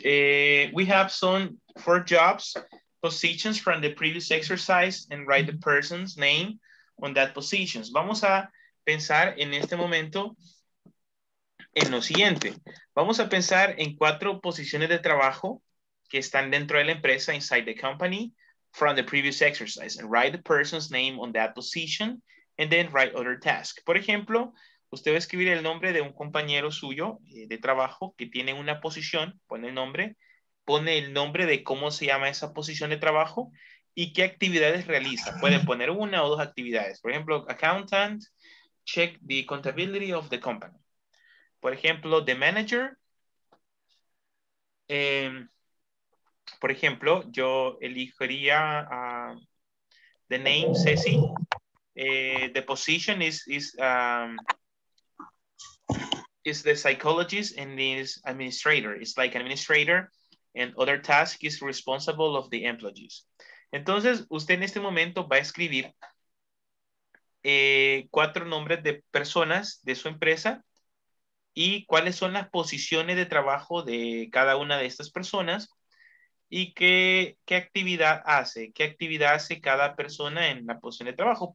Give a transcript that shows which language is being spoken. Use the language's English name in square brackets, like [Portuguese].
[English] We have some 4 jobs, positions from the previous exercise and write the person's name on that positions. [Spanish] Vamos a pensar en este momento en lo siguiente. Vamos a pensar en 4 posiciones de trabajo que están dentro de la empresa, [English] inside the company, from the previous exercise, and write the person's name on that position, and then write other tasks. [Spanish] Por ejemplo, usted va a escribir el nombre de un compañero suyo de trabajo que tiene una posición, pone el nombre de cómo se llama esa posición de trabajo y qué actividades realiza. Puede poner una o 2 actividades. Por ejemplo, [English] accountant, check the contability of the company. [Spanish] Por ejemplo, [English] the manager, [Spanish] por ejemplo, yo elegiría [English] the name Ceci, The position is the psychologist and is administrator. It's like administrator and other task is responsible of the employees. [Spanish] Entonces, usted en este momento va a escribir cuatro nombres de personas de su empresa y cuáles son las posiciones de trabajo de cada una de estas personas y qué actividad hace, qué actividad hace cada persona en la posición de trabajo.